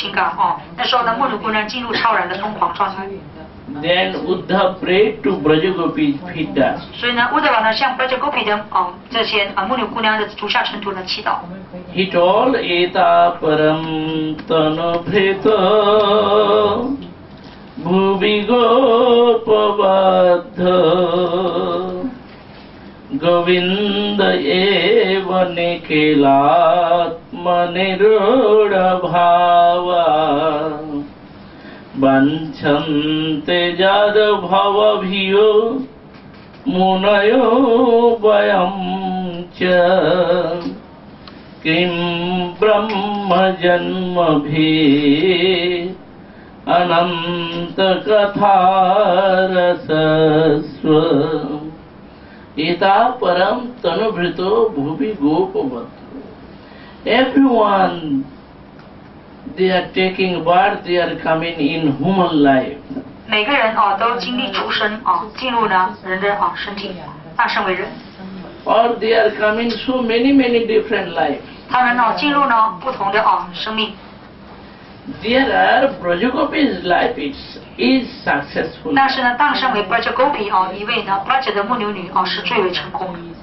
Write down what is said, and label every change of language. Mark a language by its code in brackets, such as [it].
[zh] 那么那时候他确实找到了牧牛姑娘的这种情感，那时候的牧牛姑娘进入超然的疯狂状态。 [en] Then Uddhava prayed to Braja Gopi's feet dust. [zh] 所以呢，乌德瓦呢向Braja Gopi的这些牧牛姑娘的足下尘土呢祈祷。 [en] He told [sa] Eta Param Tano Bhrita Bhubi Gopavadha Govinda Eva Nikilatma Nirudha Bhava Banchante jada bhava bhiyo munayo vayamcha Kim brahma janma bhe ananta katharasaswa Ita param tanubhrito bhubi gopavatra. [en] Everyone, they are taking birth, they are coming in human life. [zh] 每个人都经历出生，进入人的身体，诞生为人。 [en] Or they are coming through many different lives. [zh] 他们进入不同的生命。 [en] there are Braja Gopi's life is successful. [zh] 但是呢，当身为 Braja Gopi 哦，一位呢 Braja 的牧牛女哦，是最为成功的。